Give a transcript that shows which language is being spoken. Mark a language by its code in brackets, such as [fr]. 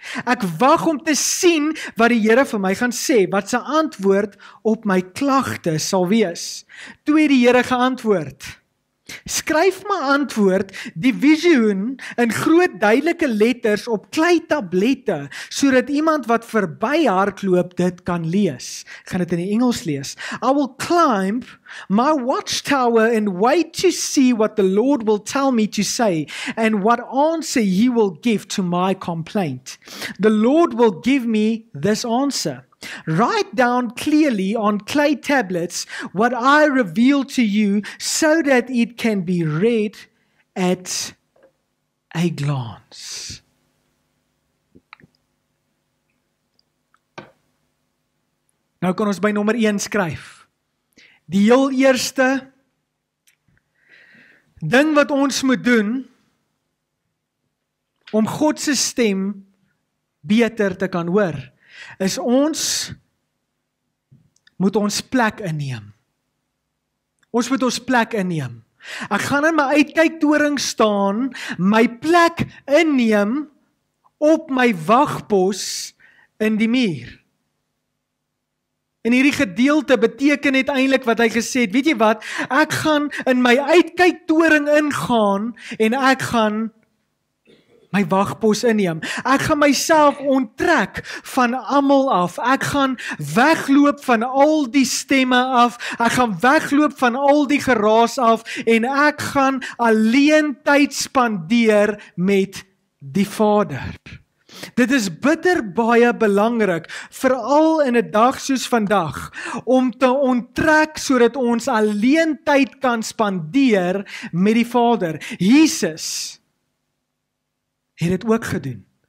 [af] Ek wag om te sien wat die Here vir my gaan sê, wat sy antwoord op my klagte sal wees. Toe het die Here geantwoord: skryf my antwoord, die visioen, in groot duidelike letters op klei tablette, sodat iemand wat verby hardloop dit kan lees. Ek gaan dit in die Engels lees. [en] I will climb my watchtower and wait to see what the Lord will tell me to say and what answer he will give to my complaint. The Lord will give me this answer. Write down clearly on clay tablets what I reveal to you so that it can be read at a glance. [af] Nou kan ons by nommer 1 skryf. Die heel eerste ding wat ons moet doen om God se stem beter te kan hoor, is ons moet ons plek inneem. Ons moet ons plek inneem. Ek gaan in my uitkyktoring staan, my plek inneem op my wagpos in die muur. En hierdie gedeelte beteken het eintlik wat hy gesê het. Weet jy wat? Ek gaan in my uitkyktoring ingaan en ek gaan my wagpos inneem. Ek gaan myself onttrek van almal af. Ek gaan wegloop van al die stemme af. Ek gaan wegloop van al die geraas af en ek gaan alleen tyd spandeer met die Vader. Dit is bitter baie belangrik, veral in 'n dag soos vandag, om te onttrek sodat ons alleen tyd kan spandeer met die Vader. Jesus het dit ook gedoen.